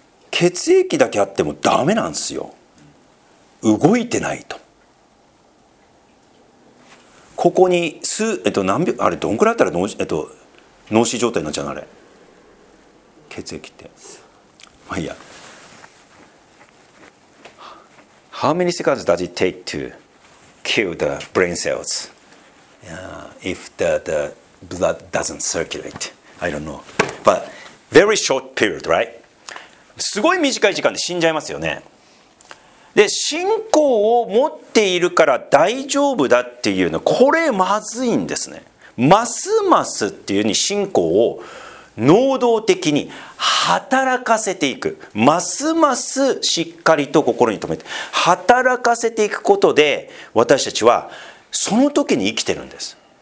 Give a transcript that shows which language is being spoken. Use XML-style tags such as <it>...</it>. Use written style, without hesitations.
<ja>血液だけあってもダメなんですよ。動いてないと。ここに数、何秒、あれどんくらいあったら脳死状態になっちゃうの、あれ血液って。まあいいや。</ja> <en>How many seconds does it take to kill the brain cells、if the blood doesn't circulate? I don't know. But very short period, right?</en> <ja>すごい短い時間で死んじゃいますよね。で、信仰を持っているから大丈夫だっていうの、これまずいんですね。ますますっていうに信仰を能動的に働かせていく、ますますしっかりと心に留めて働かせていくことで、私たちはその時に生きてるんです。</ja>